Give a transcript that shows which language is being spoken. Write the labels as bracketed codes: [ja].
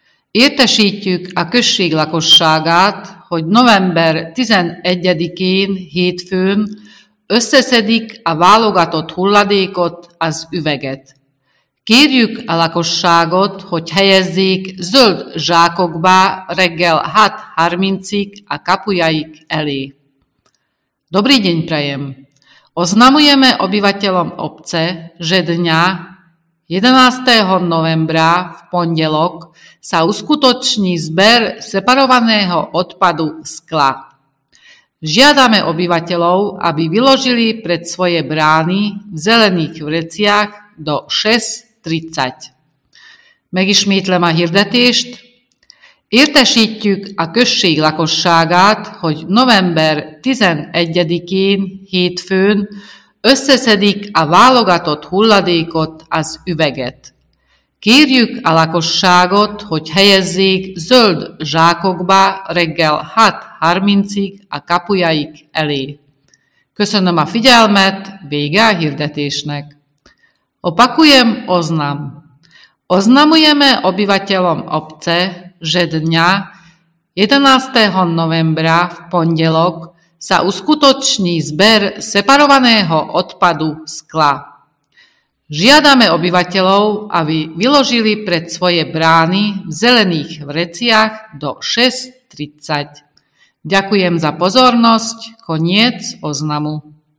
[hu] Értesítjük a község lakosságát, hogy november 11-én hétfőn összeszedik a válogatott hulladékot, az üveget. Kérjük a lakosságot, hogy helyezzék zöld zsákokba reggel 6:30-ig a kapujaik elé. [sk] Dobrý deň prajem! Oznamujeme obyvateľom obce, že dňa 11. novembra v pondelok sa uskutoční zber separovaného odpadu skla. Žiadame obyvateľov, aby vyložili pred svoje brány v zelených vreciach do 6:30. [hu] Megismétlem a hirdetést. Értesítjük a község lakosságát, hogy november 11-én hétfőn összeszedik a válogatott hulladékot, az üveget. Kérjük a lakosságot, hogy helyezzék zöld zsákokba reggel 6:30-ig a kapujaik elé. Köszönöm a figyelmet, vége a hirdetésnek. [sk] Opakujem oznam. Oznamujeme obyvateľom obce, že dňa 11. novembra v pondelok sa uskutoční zber separovaného odpadu skla. Žiadame obyvateľov, aby vyložili pred svoje brány v zelených vreciach do 6:30. Ďakujem za pozornosť. Koniec oznamu.